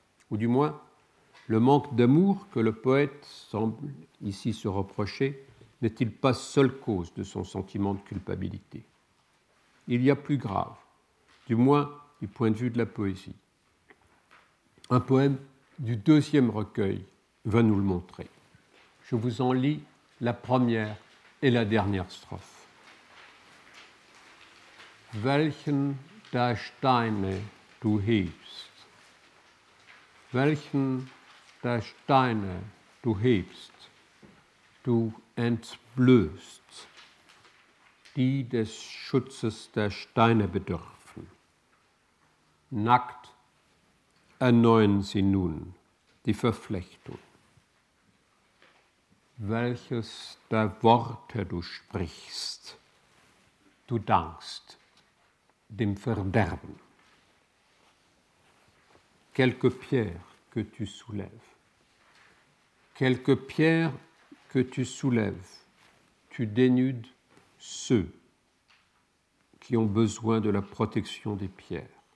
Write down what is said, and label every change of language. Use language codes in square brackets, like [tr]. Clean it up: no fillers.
[fr] Ou du moins, le manque d'amour que le poète semble ici se reprocher n'est-il pas seule cause de son sentiment de culpabilité? Il y a plus grave, du moins du point de vue de la poésie. Un poème du deuxième recueil va nous le montrer. Je vous en lis la première et la dernière strophe. [de] Welchen der Steine du hebst, welchen der Steine du hebst, du entblößt, die des Schutzes der Steine bedürfen. Nackt erneuen sie nun die Verflechtung. Welches der Worte du sprichst, du dankst dem Verderben. [fr] Quelque pierre que tu soulèves, quelque pierre que tu soulèves, tu dénudes ceux qui ont besoin de la protection des pierres.